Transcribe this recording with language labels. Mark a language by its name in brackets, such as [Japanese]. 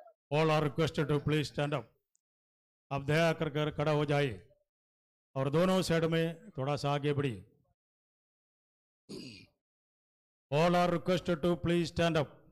[English] All are requested to please stand up. [Hindi] अब दया कर खड़ा हो जाए और दोनों साइड में थोड़ा सा आगे बढ़ी. [English] All are requested to please stand up.